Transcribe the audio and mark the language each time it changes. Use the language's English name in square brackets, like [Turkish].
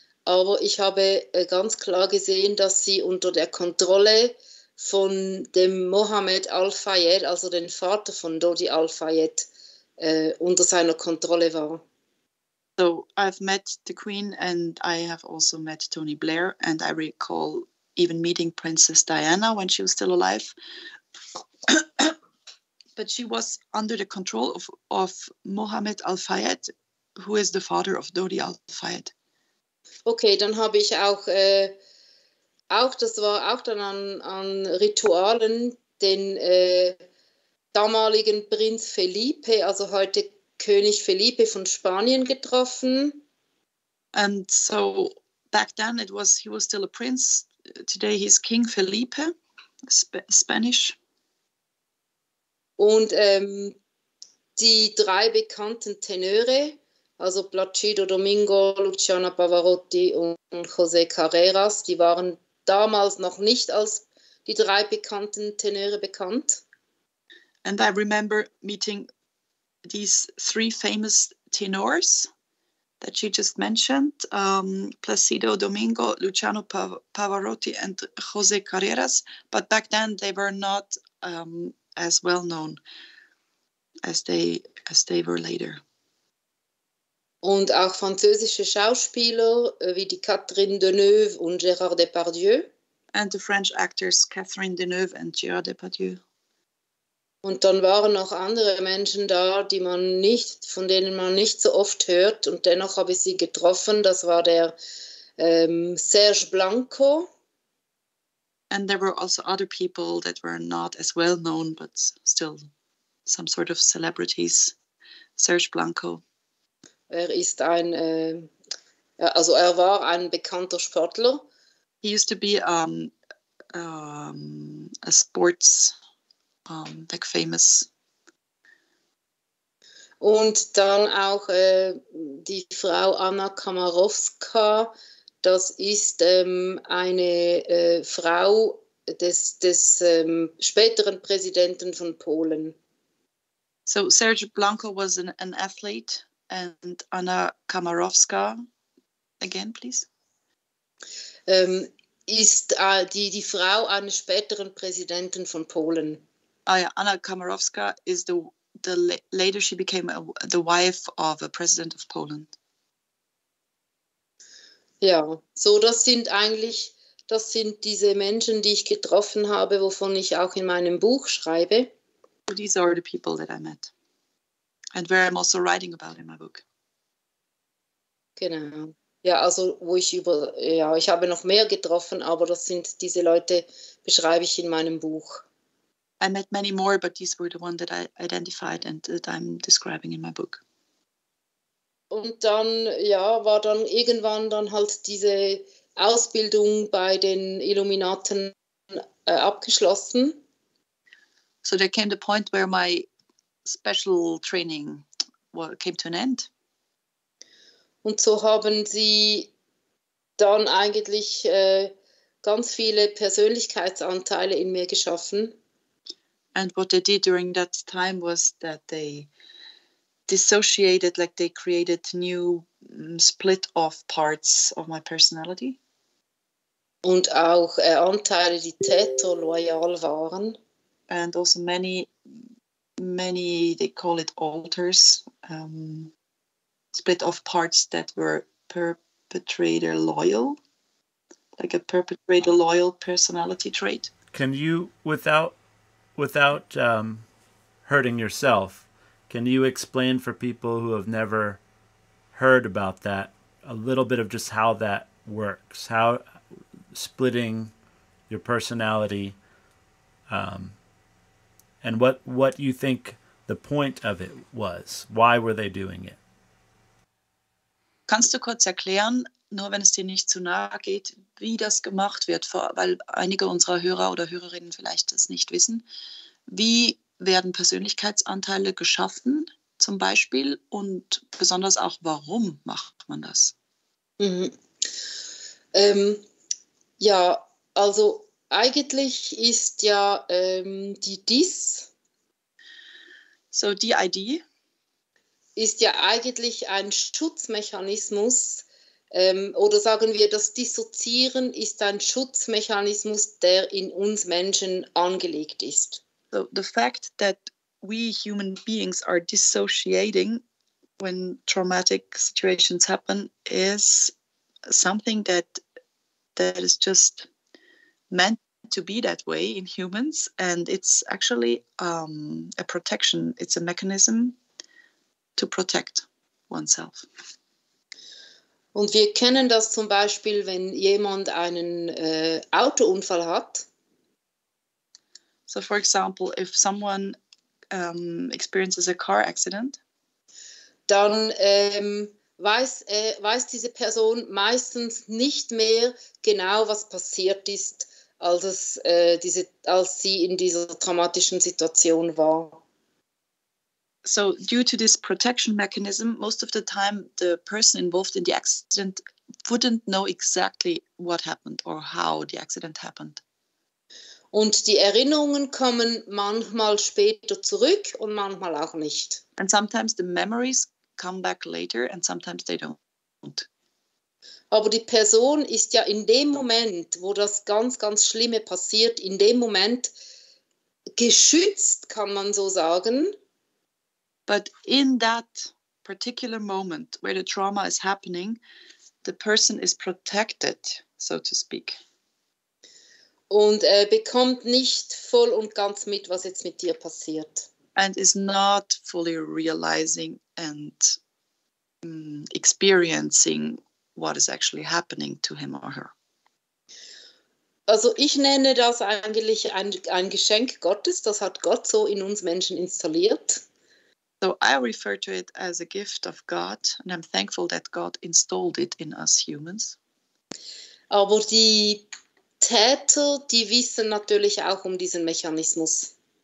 [German] Aber ich habe ganz klar gesehen, dass sie unter der Kontrolle von dem Mohammed Al-Fayed, also dem Vater von Dodi Al-Fayed, unter seiner Kontrolle war. [English] So, I've met the Queen and I have also met Tony Blair and I recall even meeting Princess Diana when she was still alive. But she was under the control of Mohammed Al-Fayed, who is the father of Dodi Al-Fayed. [German] Okay, dann habe ich auch, das war auch dann an Ritualen, den damaligen Prinz Felipe, also heute König Felipe von Spanien, getroffen. [English] And so back then he was still a prince. Today he's King Felipe, Spanish. [German] Und die drei bekannten Tenöre, also Placido Domingo, Luciano Pavarotti und José Carreras, die waren damals noch nicht als die drei bekannten Tenöre bekannt. [English] And I remember meeting these three famous tenors that you just mentioned, Placido Domingo, Luciano Pavarotti, and José Carreras. But back then, they were not as well known as they were later. [German] Und auch französische Schauspieler wie die Catherine Deneuve und Gérard Depardieu. [English] and the French actors Catherine Deneuve and Gérard Depardieu. [German] Und dann waren noch andere Menschen da, die man nicht, von denen man nicht so oft hört, und dennoch habe ich sie getroffen. Das war der Serge Blanco. [English] And there were also other people that were not as well known, but still some sort of celebrities. Serge Blanco. [German] Er ist ein, also er war ein bekannter Sportler. [English] He used to be a sports, like famous. [German] Und dann auch die Frau Anna Kamarowska. Das ist eine Frau des späteren Präsidenten von Polen. [English] So Serge Blanco was an athlete, and Anna Kamarowska, again please. [German] Ist die Frau eines späteren Präsidenten von Polen. Ah ja, [English] Anna Kamarowska is later she became the wife of a president of Poland. [German] Ja, so das sind eigentlich, das sind diese Menschen, die ich getroffen habe, wovon ich auch in meinem Buch schreibe. [English] These are the people that I met and where I'm also writing about in my book. [German] Genau. Ja, also wo ich über, ja, ich habe noch mehr getroffen, aber das sind diese Leute, beschreibe ich in meinem Buch. [English] I met many more, but these were the ones that I identified and that I'm describing in my book. [German] Und dann, ja, war dann irgendwann dann halt diese Ausbildung bei den Illuminaten abgeschlossen. [English] So there came the point where my special training came to an end. [German] Und so haben sie dann eigentlich ganz viele Persönlichkeitsanteile in mir geschaffen. [English] And what they did during that time was that they dissociated, like they created new split off parts of my personality. [German] Und auch Anteile, die täter loyal waren. [English] And also many, many, they call it alters, split off parts that were perpetrator loyal, like a perpetrator loyal personality trait. Can you, without hurting yourself, can you explain for people who have never heard about that a little bit of just how that works, how splitting your personality, and what you think the point of it was? Why were they doing it? [German] Kannst du kurz erklären, nur wenn es dir nicht zu nahe geht, wie das gemacht wird, weil einige unserer Hörer oder Hörerinnen vielleicht das nicht wissen. Wie werden Persönlichkeitsanteile geschaffen, zum Beispiel, und besonders auch, warum macht man das? Mhm. Ja, also eigentlich ist ja die DIS. [English] So DID. [German] Ist ja eigentlich ein Schutzmechanismus, oder sagen wir, das Dissoziieren ist ein Schutzmechanismus, der in uns Menschen angelegt ist. [English] So the fact that we human beings are dissociating when traumatic situations happen is something that is just meant to be that way in humans, and it's actually a protection, it's a mechanism to protect oneself. [German] Und wir kennen das zum Beispiel, wenn jemand einen Autounfall hat. [English] So for example, if someone experiences a car accident, [German] dann weiß diese Person meistens nicht mehr genau, was passiert ist, als sie in dieser traumatischen Situation war. [English] So due to this protection mechanism, most of the time the person involved in the accident wouldn't know exactly what happened or how the accident happened. [German] Und die Erinnerungen kommen manchmal später zurück und manchmal auch nicht. [English] And sometimes the memories come back later and sometimes they don't. [German] Aber die Person ist ja in dem Moment, wo das ganz, ganz Schlimme passiert, in dem Moment geschützt, kann man so sagen. [English] But in that particular moment where the trauma is happening, the person is protected, so to speak. [German] und bekommt nicht voll und ganz mit, was jetzt mit dir passiert. [English] And is not fully realizing and experiencing what is actually happening to him or her. [German] Also ich nenne das eigentlich ein Geschenk Gottes, das hat Gott so in uns Menschen installiert. [English] So I refer to it as a gift of God and I'm thankful that God installed it in us humans. [German] Aber die Täter, die wissen natürlich auch um diesen Mechanismus.